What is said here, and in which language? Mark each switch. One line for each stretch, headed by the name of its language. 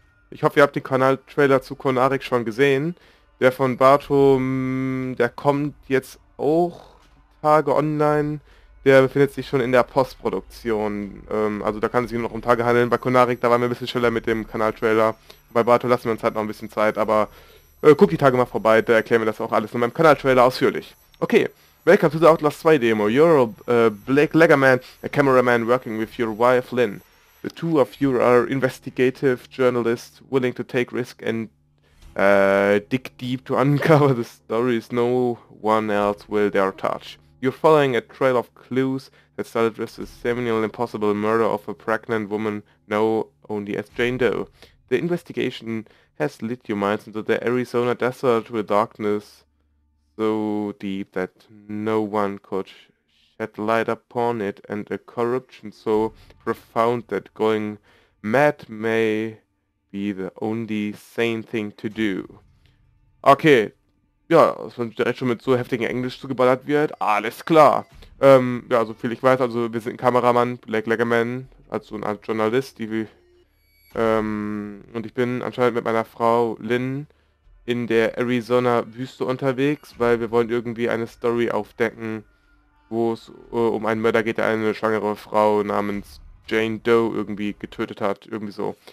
German: Ich hoffe, ihr habt den Kanal-Trailer zu Konarik schon gesehen. Der von Bartum, der kommt jetzt auch Tage online. Der befindet sich schon in der Postproduktion. Also da kann es sich nur noch um Tage handeln. Bei Konarik, da waren wir ein bisschen schneller mit dem Kanal-Trailer. Bei Barto lassen wir uns halt noch ein bisschen Zeit, aber guck die Tage mal vorbei, da erklären wir das auch alles in meinem Kanal-Trailer ausführlich.
English: Okay, welcome to the Outlast 2 Demo. You're a Blake Leggerman, a cameraman working with your wife Lynn. The two of you are investigative journalists willing to take risk and dig deep to uncover the stories no one else will dare touch. You're following a trail of clues that started with the seemingly impossible murder of a pregnant woman known only as Jane Doe. The investigation has lit your minds into the Arizona desert with darkness so deep that no one could shed light upon it, and a corruption so profound that going mad may be the only sane thing to do. Okay.
German: Ja, dass man direkt schon mit so heftigem Englisch zugeballert wird. Alles klar. Ja, so viel ich weiß. Also wir sind ein Kameramann, Blake Leggerman, also ein Journalist. Und ich bin anscheinend mit meiner Frau Lynn in der Arizona-Wüste unterwegs, weil wir wollen irgendwie eine Story aufdecken, wo es um einen Mörder geht, der eine schwangere Frau namens Jane Doe irgendwie getötet hat. Irgendwie so.